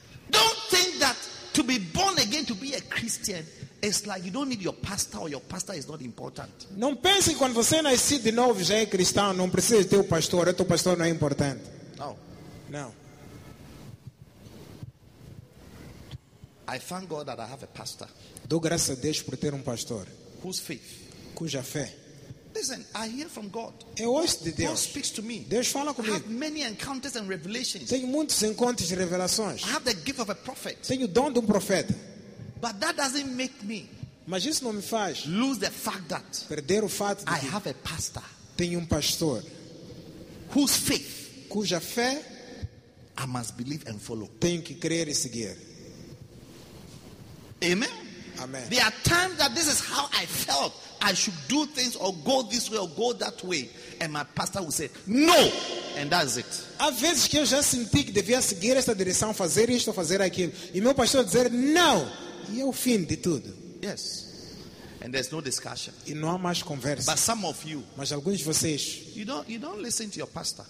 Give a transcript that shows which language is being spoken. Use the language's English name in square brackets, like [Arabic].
[English] Don't think that to be born again, to be a Christian, it's like you don't need your pastor or your pastor is not important. [Portuguese] Não pense que quando você nasce de novo já é cristão, não precisa ter o teu pastor não é importante. No. No. [English] I thank God that I have a pastor. [Portuguese] Dou graças a Deus por ter pastor. [English] Whose faith? [Portuguese] Cuja fé. [English] Listen, I hear from God. [Portuguese] Eu ouço de Deus. [English] God speaks to me. [Portuguese] Deus fala comigo. [English] I have many encounters and revelations. [Portuguese] Tenho muitos encontros e revelações. [English] I have the gift of a prophet. [Portuguese] Tenho o dom de profeta. [English] But that doesn't make me. [Portuguese] Mas isso não me faz. [English] Lose the fact that. [Portuguese] Perder o fato de [English] I have a pastor. [Portuguese] Tenho pastor. [English] Whose faith? [Portuguese] Cuja fé. [English] I must believe and follow. [Portuguese] Tenho que crer e seguir. [English] Amen. [Portuguese] Amen. [English] There are times that this is how I felt. I should do things or go this way or go that way. And my pastor will say, no. And that's it. [Portuguese] Há vezes que eu já senti que devia seguir esta direção, fazer isto ou fazer aquilo. E meu pastor dizer, não. E é o fim de tudo. [English] Yes. And there's no discussion. [Portuguese] E não há mais conversa. [English] But some of you. [Portuguese] Mas alguns de vocês. [English] You don't listen to your pastor.